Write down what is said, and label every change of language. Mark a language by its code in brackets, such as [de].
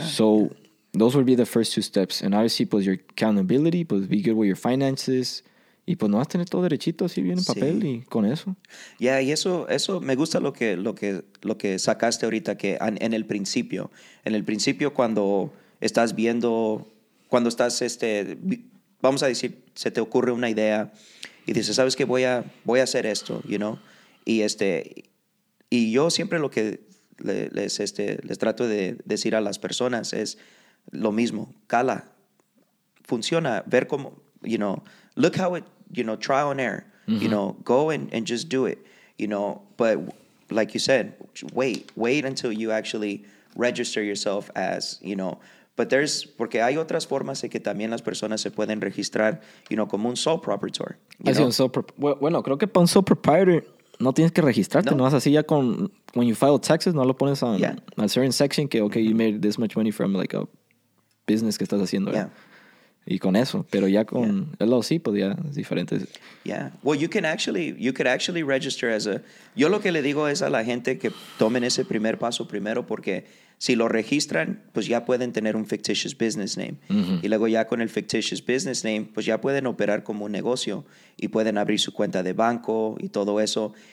[en] So, those would be the first two steps. And obviously, pues, your accountability, pues, be good with your finances. [es] Y pues, no vas a tener todo derechito así bien en papel y con eso. Yeah, y eso me gusta lo que sacaste ahorita que en el principio cuando estás viendo, cuando estás, vamos a decir, se te ocurre una idea y dices, ¿sabes qué? Voy a hacer esto, [en] you know? [es] Y yo siempre lo que les trato de decir a las personas es lo mismo, cala, funciona, ver cómo, you know, [en] look how it, you know, try on air, mm-hmm. you know, go and just do it, you know? But like you said, wait until you actually register yourself as, you know, but there's, [es] porque hay otras formas de que también las personas se pueden registrar, [en] you know, como un sole proprietor. [es] Bueno, creo que para un sole proprietor no tienes que registrarte, no vas así ya con, [en] when you file taxes, [es] no lo pones en [en] yeah. a certain section [es] que, [en] okay, mm-hmm. you made this much money from like a business [es] que estás haciendo. [en] Yeah. [es] Y con eso, pero ya con LLC podría, es diferente. [en] Yeah. Well, you could actually register as a, [es] yo lo que le digo es a la gente que tomen ese primer paso primero porque si lo registran, pues ya pueden tener un fictitious business name. Uh-huh. Y luego ya con el fictitious business name, pues ya pueden operar como un negocio y pueden abrir su cuenta de banco y todo eso.